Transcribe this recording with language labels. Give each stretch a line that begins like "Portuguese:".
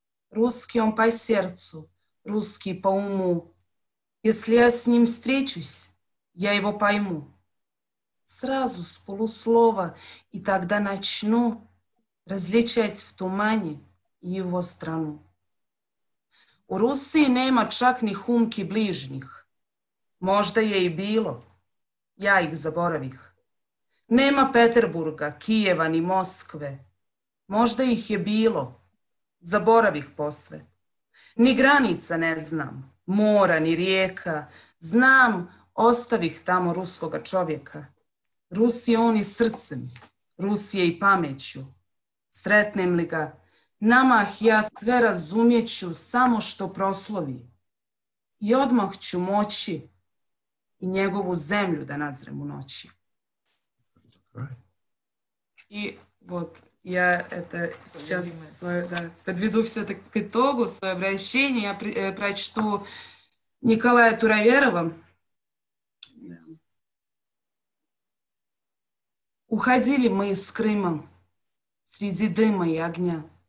Russian: Русский он по сердцу, русский по уму. Если я с ним встречусь, я его пойму. Сразу с полуслова и тогда начну различать в тумане и его страну.
Serbian: У Руси нема чак ни хумки ближних. Можда је и било, я их заборавих. Нема Петербурга, Киева ни Москве. Можда их је било, заборавих посве. Ни граница не знам, мора ни река. Знам, оставих тамо руского човека. Руси он и срцем, Руси је и памећу. Сретнем ли га, намах я све разумеће само што прослови. И одмах ћу моћи и његову земљу да назрем у ноћи.
Russian: И вот я это сейчас свое, да, подведу всё-таки к итогу своё обращение. Я прочту Николая Туроверова. Уходили мы из Крыма среди дыма и огня.